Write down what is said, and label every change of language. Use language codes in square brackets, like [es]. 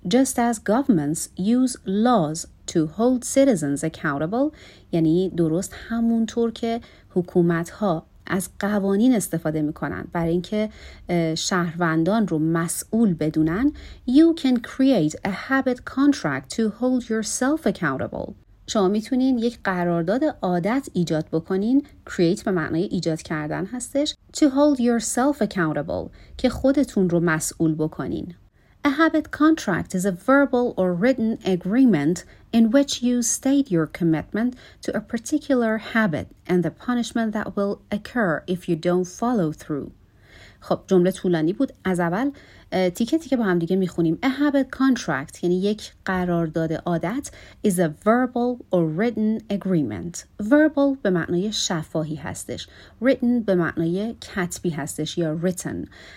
[en] Just as governments use laws to hold citizens accountable [fa] یعنی درست همونطور که حکومت‌ها از قوانین استفاده می‌کنن برای اینکه شهروندان رو مسئول بدونن، [en] you can create a habit contract to hold yourself accountable. [fa] شما میتونین یک قرارداد عادت ایجاد بکنین. create به معنای ایجاد کردن هستش. [en] to hold yourself accountable [fa] که خودتون رو مسئول بکنین. [en] A habit contract is a verbal or written agreement in which you state your commitment to a particular habit and the punishment that will occur if you don't follow through. [fa] خب جمله طولانی بود. از اول تیکتی که با هم دیگه میخونیم. [en] A habit contract [fa] یعنی یک قرارداد عادت [en] is a verbal or written agreement. [fa] Verbal به معنای شفاهی هستش. Written به معنای کتبی هستش یا written.